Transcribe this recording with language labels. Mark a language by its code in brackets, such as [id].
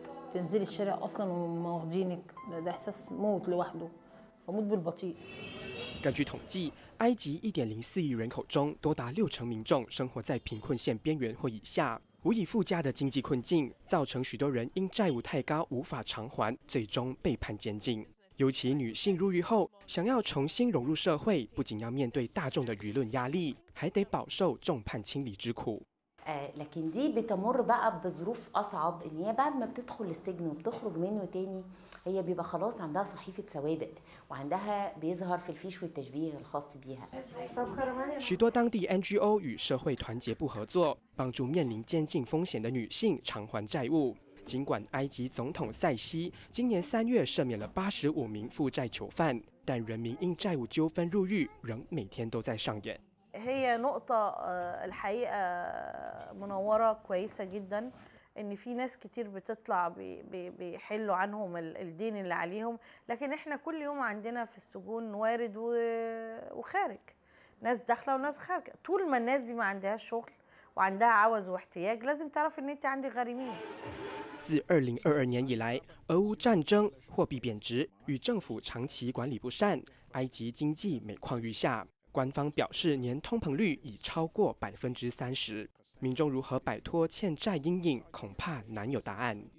[ar] تنزل الشارع أصلاً وما وضينك ده إحساس موت لوحده وموت بالبطيء. [zh] 根据统计，埃及 1.04 亿人口中多达60%民众生活在贫困线边缘或以下，无以复加的经济困境造成许多人因债务太高无法偿还，最终被判监禁。尤其女性入狱后，想要重新融入社会，不仅要面对大众的舆论压力，还得饱受众叛亲离之苦。 [ar] لكن دي بتمر بقى بظروف أصعب إن هي بعد ما بتدخل السجن وبتخرج منه تاني هي بيبقى خلاص عندها صحيفة سوابق وعندها بيظهر في الفيش والتشبيه الخاص بيها. [zh] 许多当地 NGO 与社会团结不合作，帮助面临监禁风险的女性偿还债务。尽管埃及总统塞西今年3月赦免了85名负债囚犯，但人民因债务纠纷入狱仍每天都在上演。 [ar] هي نقطة الحقيقة منورة كويسة جدا إن في ناس كتير بتطلع بيحلوا عنهم الدين اللي عليهم لكن إحنا كل يوم عندنا في السجون وارد وخارج ناس داخلة وناس خارجة طول ما الناس دي ما عندها شغل وعندها عوز واحتياج لازم تعرف إن أنت عندك غريمين. [zh] 自2022年以来，俄乌战争、货币贬值与政府长期管理不善，埃及经济每况愈下。官方表示，年通膨率已超过30%，民众如何摆脱欠债阴影，恐怕难有答案。